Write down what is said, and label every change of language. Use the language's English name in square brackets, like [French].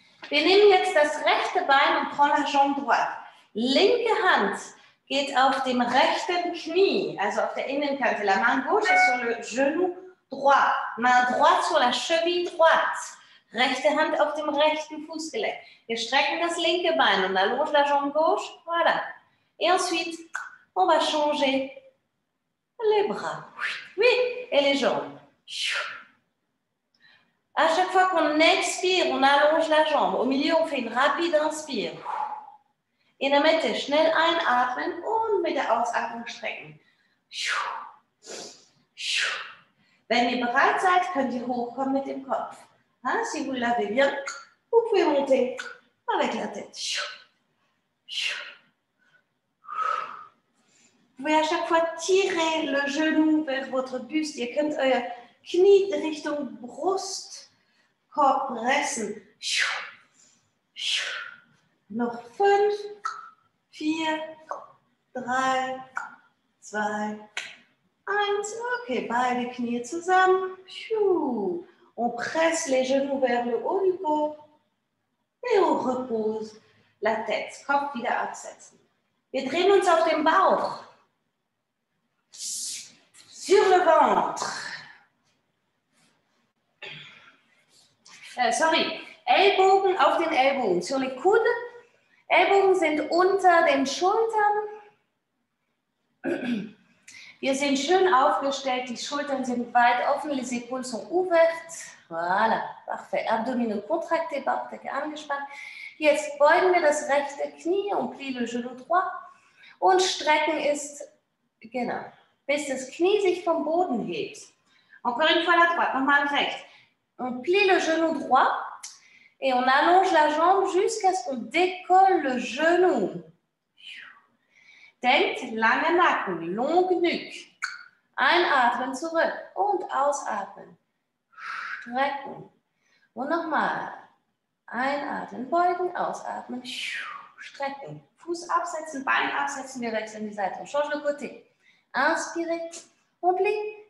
[German] Wir nehmen jetzt das rechte Bein und [French] prend la jambe droite. [German] Linke Hand geht auf dem rechten Knie, also auf der Innenkante. [French] La main gauche est sur le genou droit. Main droite sur la cheville droite. Rechte Hand auf dem rechten Fußgelenk. Wir strecken das linke Bein und allonge la jambe gauche. Voilà. Et ensuite, on va changer les bras, oui, et les jambes. À chaque fois qu'on expire, on allonge la jambe. Au milieu, on fait une rapide inspire. Et la mette [German] schnell einatmen und mit der Ausatmung strecken. Wenn ihr bereit seid, könnt ihr hochkommen mit dem Kopf. [French] Hein, si vous l'avez bien, vous pouvez monter avec la tête. Vous pouvez à chaque fois tirer le genou vers votre buste. [German] Ihr könnt euer Knie Richtung Brustkorb pressen. Noch 5, 4, 3, 2, 1. Okay, beide Knie zusammen. [French] On presse les genoux vers le haut du corps. Et on repose la tête. [German] Kopf wieder absetzen. Wir drehen uns auf den Bauch. [French] Sur le ventre. [German] sorry, Ellbogen auf den Ellbogen. [French] Sur les coudes. [German] Ellbogen sind unter den Schultern. Wir sind schön aufgestellt, die Schultern sind weit offen, [French] les épaules sont ouvertes. Voilà, parfait. Abdominaux contractés, [German] Bauchdecke angespannt. Jetzt beugen wir das rechte Knie und [French] plie le genou droit. [German] Und strecken ist, genau, bis das Knie sich vom Boden hebt. [French] Encore une fois la droite, [German] nochmal rechts. [French] On plie le genou droit et on allonge la jambe jusqu'à ce qu'on décolle le genou. [German] Denkt, lange Nacken, [French] long nuque. [German] Einatmen, zurück und ausatmen. Strecken. Und nochmal. Einatmen, beugen, ausatmen. Strecken. Fuß absetzen, Bein absetzen, wir wechseln die Seite. [French] Change le côté. Inspire, on plie.